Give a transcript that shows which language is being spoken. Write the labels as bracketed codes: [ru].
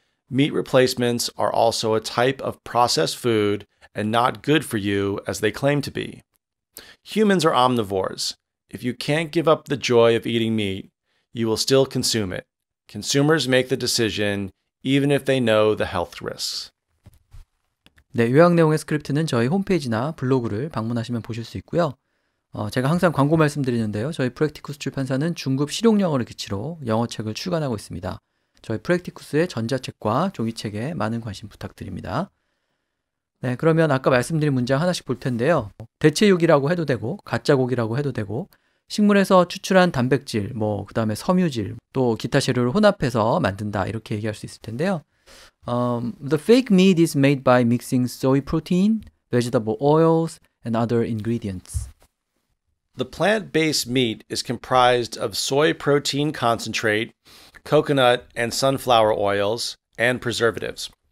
[en] Meat replacements are also a type of processed food and not good for you as they claim to be. Humans are omnivores. If you can't give up the joy of eating meat, you will still consume it. Consumers make the decision even if they know the health risks. [ko] 네, 요약 내용의 스크립트는 저희 홈페이지나 블로그를 방문하시면 보실 수 있고요. 제가 항상 광고 말씀드리는데요. 저희 프랙티쿠스 출판사는 중급 실용 영어를 기치로 영어 책을 출간하고 있습니다. 저희 프랙티쿠스의 전자책과 종이책에 많은 관심 부탁드립니다. 네, 그러면 아까 말씀드린 문장 하나씩 볼 텐데요. 대체육이라고 해도 되고, 가짜 고기라고 해도 되고, 식물에서 추출한 단백질, 뭐 그다음에 섬유질, 또 기타 재료를 혼합해서 만든다 이렇게 얘기할 수 있을 텐데요. [en] The fake meat is made by mixing soy protein, vegetable oils, and other ingredients. The plant-based meat is comprised of soy protein concentrate, coconut and sunflower oils, and preservatives.